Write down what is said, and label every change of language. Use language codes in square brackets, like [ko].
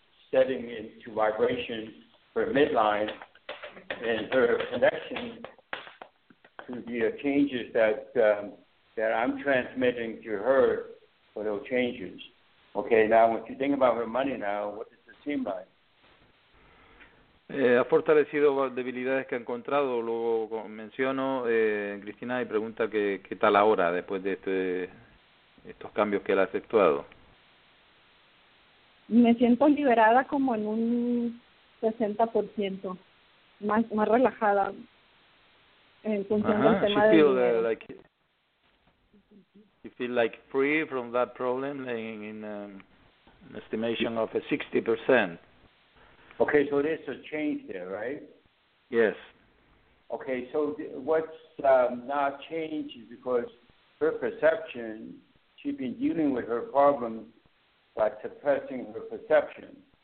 [en] setting into vibration for midline, and her connection to the changes that that I'm transmitting to her for those changes. Okay, now what you think about her money now, what does it seem like? [es] Ha fortalecido debilidades que ha encontrado, luego menciono, Cristina, y pregunta qué tal ahora, después de estos cambios que él ha efectuado. Me siento liberada como en un 60%, más relajada en función del tema del dinero. [en] You feel like free from that problem in an estimation of a 60%. Okay, so there's a change there, right? Yes. Okay, so what's not changed is because her perception, she's been dealing with her problem by suppressing her perception.